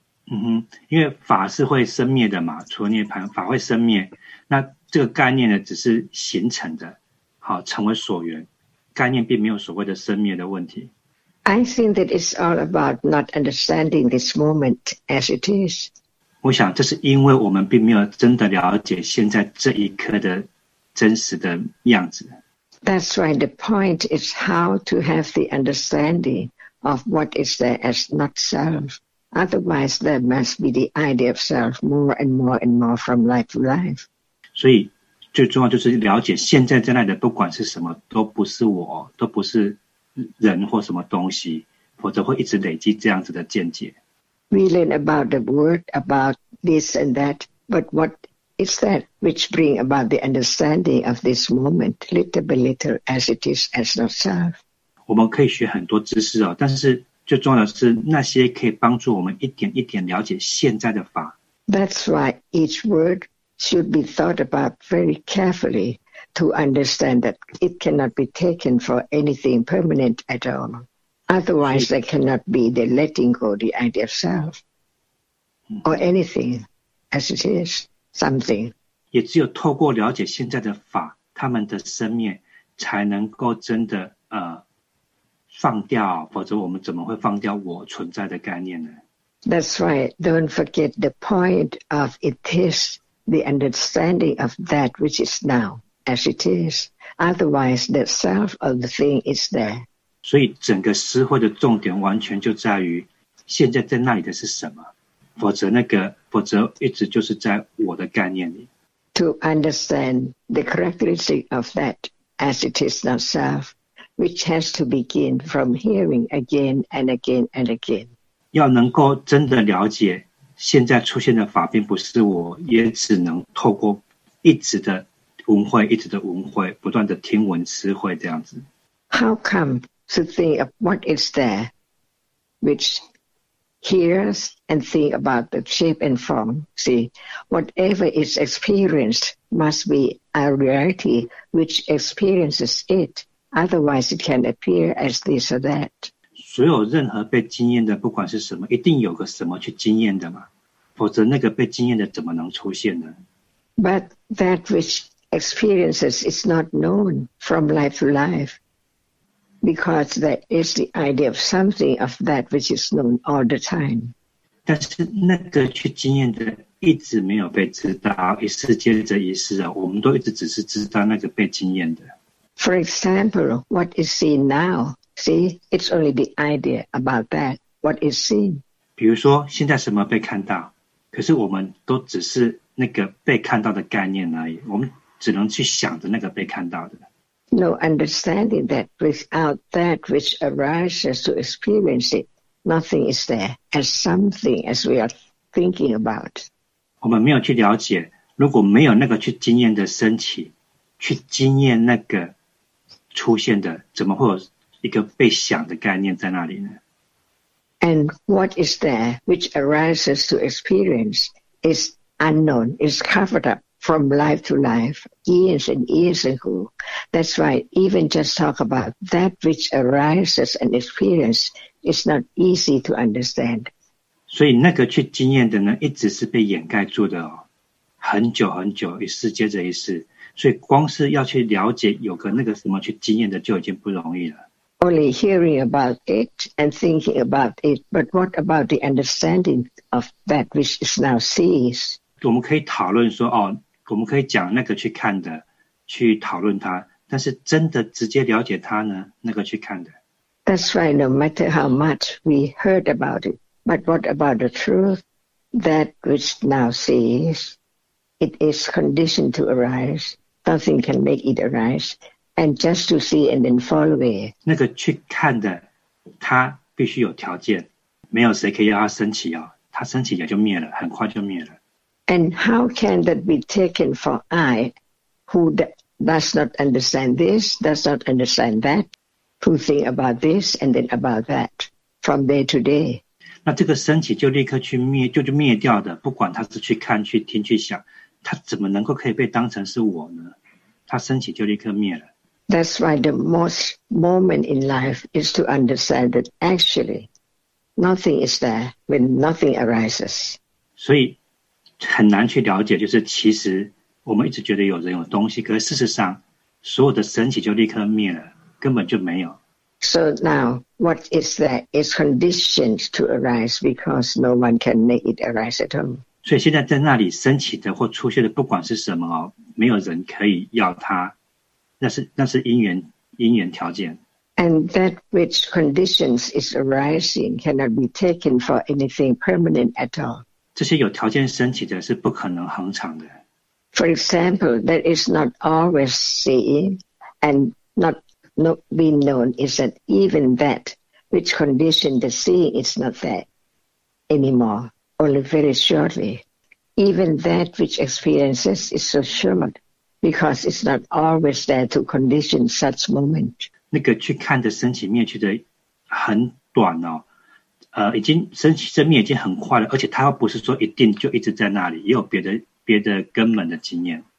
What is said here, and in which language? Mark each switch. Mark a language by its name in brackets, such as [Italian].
[Chinese] 嗯，因为法是会生灭的嘛，除了涅槃，法会生灭。那这个概念呢，只是形成的，好，成为所缘。概念并没有所谓的生灭的问题。 [English] I think that it's all about not understanding this moment as it is. [Chinese] 我想这是因为我们并没有真的了解现在这一刻的真实的样子。 [English] That's right. The point is how to have the understanding of what is there as not self. Otherwise, there must be the idea of self more and more and more from life to life. [Chinese] 所以最重要就是了解现在在那里的不管是什么都不是我，都不是人或什么东西，否则会一直累积这样子的见解。 [English] We learn about the word, about this and that, but what is that which bring about the understanding of this moment, little by little, as it is, as not self? [Chinese] 我们可以学很多知识哦，但是最重要的是那些可以帮助我们一点一点了解现在的法。 [English] That's why each word should be thought about very carefully. To understand that it cannot be taken for anything permanent at all. Otherwise, there cannot be the letting go the idea of self or anything as it is, something. [Chinese] 也只有透过了解现在的法，他们的生灭，才能够真的放掉，否则我们怎么会放掉我存在的概念呢？ [English] That's right. Don't forget the point of it is the understanding of that which is now. As it is, otherwise the self of the thing is there. [Chinese] 所以整个诗会的重点完全就在于现在在那里的是什么，否则那个，否则一直就是在我的概念里。 [English] To understand the characteristic of that as it is not self, which has to begin from hearing again and again and again. [Chinese] 要能够真的了解现在出现的法并不是我，也只能透过一直的闻慧，一直的闻慧，不断的听闻思慧，这样子。 [English] How come to think of what is there, which hears and think about the shape and form? See, whatever is experienced must be a reality which experiences it. Otherwise, it can appear as this or that. [Chinese] 所有任何被经验的，不管是什么，一定有个什么去经验的嘛？否则那个被经验的怎么能出现呢 [English] ？But that which experiences is not known from life to life because there is the idea of something of that which is known all the time. [Chinese] 但是那个去经验的一直没有被知道，一世接着一世啊，我们都一直只是知道那个被经验的。 [English] For example, what is seen now, see, it's only the idea about that, what is seen. [Chinese] 比如说现在什么被看到，可是我们都只是那个被看到的概念而已，我们只能去想着那个被看到的。 [English] No understanding that without that which arises to experience it, nothing is there as something as we are thinking about. [Chinese] 我们没有去了解，如果没有那个去经验的升起，去经验那个出现的，怎么会有一个被想的概念在那里呢？ [English] And what is there which arises to experience is unknown, is covered up. From life to life, years and years ago. That's why even just talk about that which arises and experience is not easy to understand. [Chinese] 所以那个去经验的呢，一直是被掩盖住的哦，很久很久，一世接着一世。所以光是要去了解有个那个什么去经验的，就已经不容易了。 [English] Only hearing about it and thinking about it, but what about the understanding of that which is now seen? [Chinese] 我们可以讨论说，哦，我们可以讲那个去看的，去讨论它，但是真的直接了解它呢，那个去看的。 [English] That's right, no matter how much we heard about it, but what about the truth? That which now sees, it is conditioned to arise, nothing can make it arise, and just to see and then follow it. [Chinese] 那个去看的，它必须有条件，没有谁可以让它升起哦，它升起也就灭了，很快就灭了。 [English] And how can that be taken for I, who does not understand this, does not understand that, who think about this and then about that, from day to day? [Chinese] 那这个升起就立刻去灭，就灭掉的，不管他是去看、去听、去想，他怎么能够可以被当成是我呢？他升起就立刻灭了。 [English] That's why the most moment in life is to understand that actually, nothing is there when nothing arises. [Chinese] 所以很难去了解，就是其实我们一直觉得有人有东西，可是事实上所有的升起就立刻灭了，根本就没有。 [English] So now, what is there is conditioned to arise because no one can make it arise at all. [Chinese] 所以现在在那里升起的或出现的，不管是什么哦，没有人可以要它，那是因缘条件。 [English] And that which conditions is arising cannot be taken for anything permanent at all. [Chinese] 这些有条件升起的是不可能恒常的。 [English] For example, that is not always seen and not being known is that even that which conditioned the seeing is not there anymore, only very shortly. Even that which experiences is so short because it's not always there to condition such moment. [Chinese] 那个去看的升起灭去的很短哦，已经升起生灭已经很快了，而且它又不是说一定就一直在那里，也有别的根本的经验。